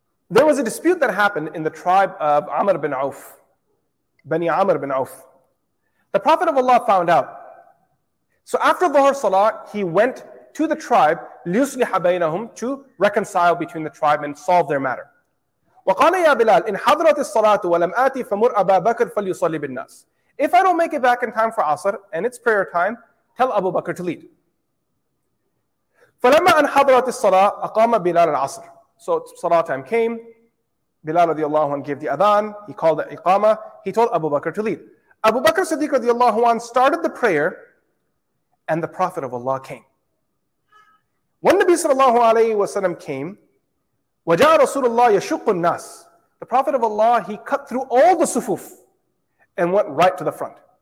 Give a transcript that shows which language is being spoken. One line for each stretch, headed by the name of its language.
English: There was a dispute that happened in the tribe of Amr bin Auf, Bani Amr bin Auf. The Prophet of Allah found out. So after Dhuhr Salah, he went to the tribe,
Arabic: ليصلح بينهم,
English: to reconcile between the tribe and solve their matter.
Arabic: وقال يا بلال إن حضرت الصلاة ولم آتي فمر أبا بكر فليصلي بالناس.
English: If I don't make it back in time for Asr and it's prayer time, tell Abu Bakr to lead.
Arabic: فلما أن حضرت الصلاة أقام بلال العصر.
English: So Salah time came, Bilal radiallahu anhu gave the adhan, he called the iqama, he told Abu Bakr to lead. Abu Bakr Siddiq radiallahu anhu started the prayer, and the Prophet of Allah came. When Nabi sallallahu alayhi wa sallam came,
Arabic: وَجَعَ رَسُولُ اللَّهِ يَشُقُّ النَّاسِ,
English: the Prophet of Allah, he cut through all the sufuf and went right to the front.